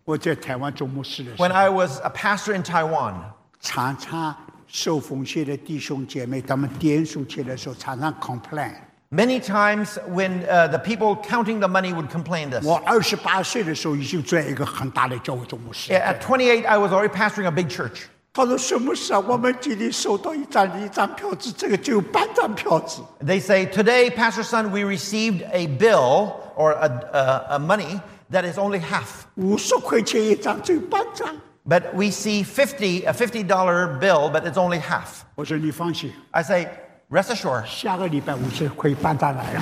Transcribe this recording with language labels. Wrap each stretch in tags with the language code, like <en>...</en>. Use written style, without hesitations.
<en>When I was a pastor in Taiwan,</en> <zh>常常 受奉献的弟兄姐妹，他们点数起来的时候，常常 complain.</zh> <en>Many times when the people counting the money would complain this.</en> <zh>我28岁的时候已经在一个很大的教会做牧师。At</zh> <en>28, I was already pastoring a big church.</en> <zh>他说：“什么事啊？我们今天收到一张票子，这个只有半张票子。”They</zh> <en>say today, Pastor Sun, we received a bill or a money that is only half.</en> <zh>50块钱一张，只有半张。</zh> <en>But we see a $50 bill, but it's only half.</en> <zh>我说你放心,</zh> <en>I say, rest assured.</en> <zh>下个礼拜50块半张来了。</zh>